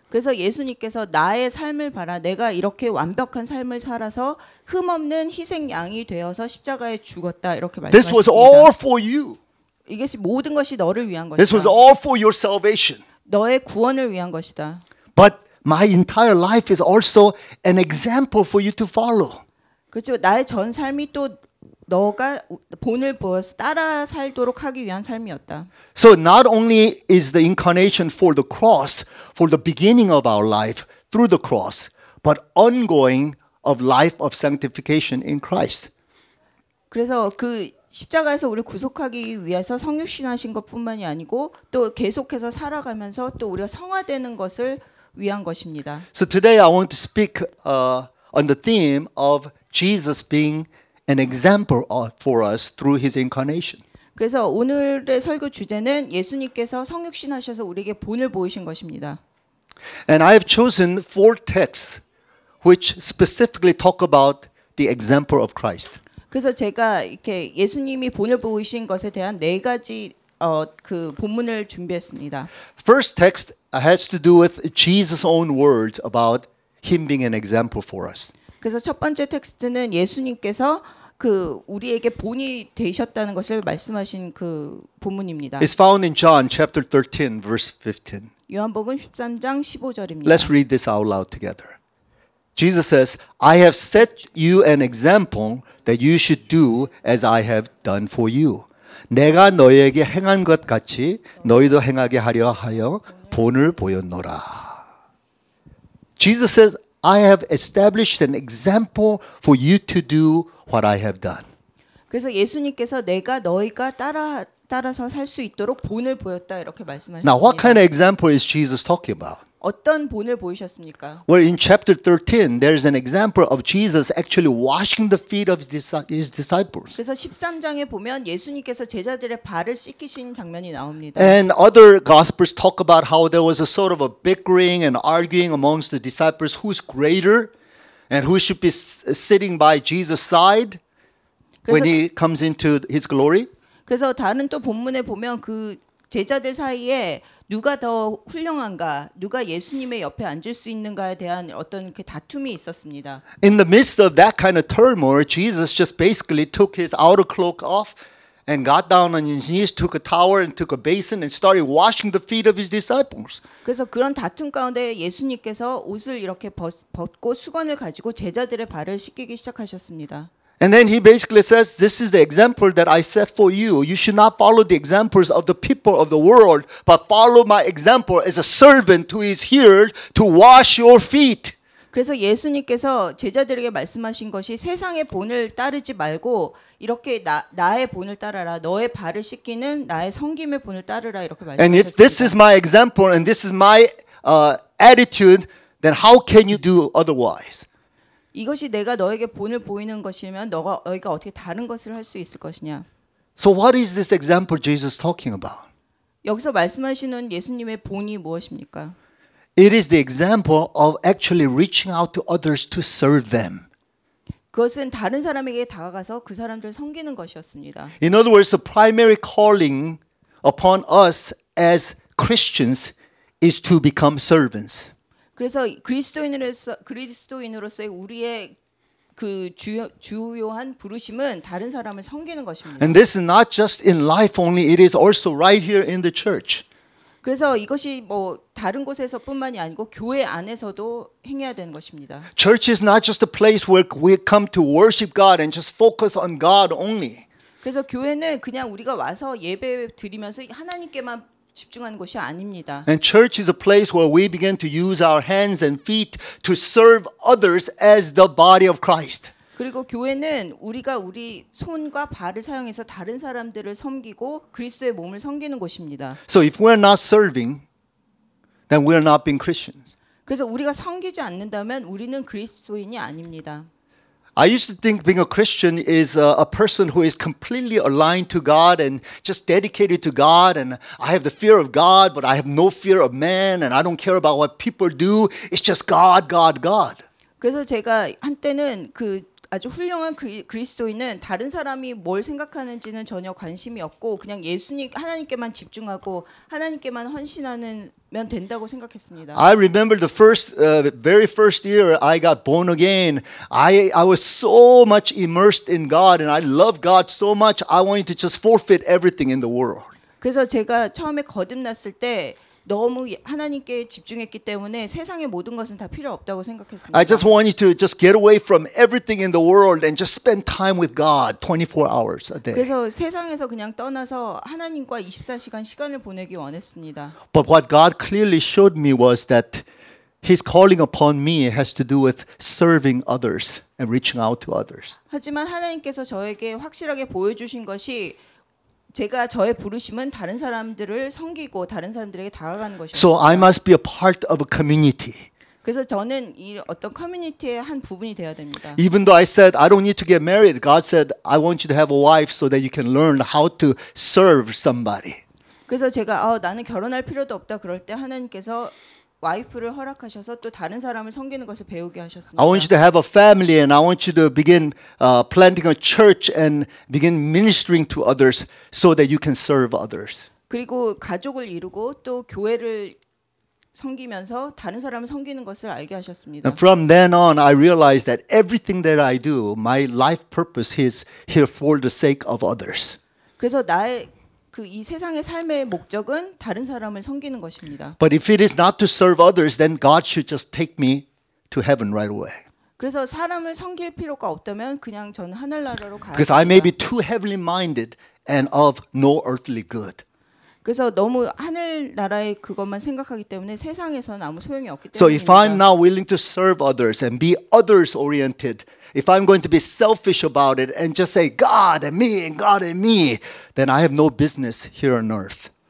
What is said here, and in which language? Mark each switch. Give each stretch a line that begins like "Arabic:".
Korean: 그래서 예수님께서 나의 삶을 봐라. 내가 이렇게 완벽한 삶을 살아서 흠 없는 희생양이 되어서 십자가에 죽었다. 이렇게 말씀하셨습니다.
English: This was all for you.
Korean: 이게 모든 것이 너를 위한 것이다.
English: This was all for your salvation.
Korean: 너의 구원을 위한 것이다.
English: But my entire life is also an example for you to follow.
Korean: 그렇죠. 나의 전 삶이 또 너가 본을 보여서 따라 살도록 하기 위한 삶이었다.
English: So not only is the incarnation for the cross, for the beginning of our life through the cross, but ongoing of life of sanctification in Christ.
Korean: 그래서 그 십자가에서 우리를 구속하기 위해서 성육신하신 것뿐만이 아니고 또 계속해서 살아가면서 또 우리가 성화되는 것을 위한 것입니다.
English: So today I want to speak on the theme of Jesus being an example for us through his incarnation.
Korean: 그래서 오늘의 설교 주제는 예수님께서 성육신 하셔서 우리에게 본을 보이신 것입니다.
English: And I have chosen four texts which specifically talk about the example of Christ.
Korean: 그래서 제가 이렇게 예수님이 본을 보이신 것에 대한 네 가지 그 본문을 준비했습니다.
English: First text has to do with Jesus' own words about him being an example for us.
Korean: 그래서 첫 번째 텍스트는 예수님께서 그 우리에게 본이 되셨다는 것을 말씀하신 그 본문입니다.
English: It's found in John chapter 13 verse 15.
Korean: 요한복음 13장 15절입니다.
English: Let's read this out loud together. Jesus says, "I have set you an example that you should do as I have done for you."
Korean: 내가 너희에게 행한 것 같이 너희도 행하게 하려 하여 본을 보였노라.
English: Jesus says, "I have established an example for you to do what I have done."
Korean: 그래서 예수님께서 내가 너희가 따라서 살 수 있도록 본을 보였다 이렇게 말씀하셨습니다.
English: Now, what kind of example is Jesus talking about?
Korean: 어떤 본을 보이셨습니까?
English: Well, in chapter 13, there is an example of Jesus actually washing the feet of his disciples.
Korean: 그래서 13장에 보면 예수님께서 제자들의 발을 씻기신 장면이 나옵니다.
English: And other gospels talk about how there was a sort of a bickering and arguing amongst the disciples who's greater and who should be sitting by Jesus' side when he comes into his glory.
Korean: 그래서 다른 또 본문에 보면 그 제자들 사이에 누가 더 훌륭한가, 누가 예수님의 옆에 앉을 수 있는가에 대한 어떤 그 다툼이 있었습니다.
English: In the midst of that kind of turmoil, Jesus just basically took his outer cloak off and got down on his knees, took a towel and took a basin and started washing the feet of his disciples.
Korean: 그래서 그런 다툼 가운데 예수님께서 옷을 이렇게 벗고 수건을 가지고 제자들의 발을 씻기기 시작하셨습니다.
English: And then he basically says, "This is the example that I set for you. You should not follow the examples of the people of the world, but follow my example as a servant who is here to wash your feet."
Korean: 그래서 예수님께서 제자들에게 말씀하신 것이 세상의 본을 따르지 말고 이렇게 나의 본을 따르라. 너의 발을 씻기는 나의 섬김의 본을 따르라 이렇게 말씀하셨습니다.
English: And if this is my example and this is my attitude, then how can you do otherwise?
Korean: 이것이 내가 너에게 본을 보이는 것이면 너희가 어떻게 다른 것을 할 수 있을 것이냐?
English: So what is this example Jesus talking about?
Korean: 여기서 말씀하시는 예수님의 본이 무엇입니까?
English: It is the example of actually reaching out to others to serve them.
Korean: 그것은 다른 사람에게 다가가서 그 사람들을 섬기는 것이었습니다.
English: In other words, the primary calling upon us as Christians is to become servants.
Korean: 그래서 그리스도인으로서의 우리의 그 주요한 부르심은 다른 사람을 섬기는 것입니다.
English: And this is not just in life only, it is also right here in the church.
Korean: 그래서 이것이 뭐 다른 곳에서뿐만이 아니고 교회 안에서도 행해야 되는 것입니다.
English: Church is not just a place where we come to worship God and just focus on God only.
Korean: 그래서 교회는 그냥 우리가 와서 예배 드리면서 하나님께만 집중하는 곳이 아닙니다.
English: And church is a place where we begin to use our hands and feet to serve others as the body of Christ.
Korean: 그리고 교회는 우리가 우리 손과 발을 사용해서 다른 사람들을 섬기고 그리스도의 몸을 섬기는 곳입니다.
English: So if we are not serving, then we are not being Christians.
Korean: 그래서 우리가 섬기지 않는다면 우리는 그리스도인이 아닙니다.
English: I used to think being a Christian is a person who is completely aligned to God and just dedicated to God and I have the fear of God but I have no fear of man and I don't care about what people do. It's just God, God, God.
Korean: 그래서 제가 한때는 그 아주 훌륭한 그리스도인은 다른 사람이 뭘 생각하는지는 전혀 관심이 없고 그냥 예수님 하나님께만 집중하고 하나님께만 헌신하면 된다고 생각했습니다.
English: I remember the first very first year I got born again. I was so much immersed in God and I loved God so much I wanted to just forfeit everything in the world.
Korean: 그래서 제가 처음에 거듭났을 때 너무 하나님께 집중했기 때문에 세상의 모든 것은 다 필요 없다고 생각했습니다.
English: I just wanted to just get away from everything in the world and just spend time with God 24 hours a day.
Korean: 그래서 세상에서 그냥 떠나서 하나님과 24시간 시간을 보내기 원했습니다.
English: But what God clearly showed me was that His calling upon me has to do with serving others and reaching out to others.
Korean: 하지만 하나님께서 저에게 확실하게 보여주신 것이 제가 저의 부르심은 다른 사람들을 섬기고 다른 사람들에게 다가가는 것입니다.
English: So I must be a part of a community.
Korean: 그래서 저는 이 어떤 커뮤니티의 한 부분이 되어야 됩니다.
English: Even though I said I don't need to get married, God said I want you to have a wife so that you can learn how to serve somebody.
Korean: 그래서 제가 나는 결혼할 필요도 없다 그럴 때 하나님께서 와이프를 허락하셔서 또 다른 사람을 섬기는 것을 배우게 하셨습니다.
English: I want you to have a family and I want you to begin planting a church and begin ministering to others so that you can serve others.
Korean: 그리고 가족을 이루고 또 교회를 섬기면서 다른 사람을 섬기는 것을 알게 하셨습니다.
English: And from then on I realized that everything that I do my life purpose is here for the sake of others.
Korean: 그래서 나의 그 이 세상의 삶의 목적은 다른 사람을 섬기는 것입니다.
English: But if it is not to serve others then God should just take me to heaven right away.
Korean: 그래서 사람을 섬길 필요가 없다면 그냥 저는 하늘나라로 가야 합니다.
English: Because I may be too heavenly minded and of no earthly good.
Korean: 그래서 너무 하늘나라의 그것만 생각하기 때문에 세상에서는 아무 소용이 없기 때문에
English: So if I'm now willing to serve others and be others oriented, if I'm going to be selfish about it and just say God and me and God and me, then I have no business here on earth.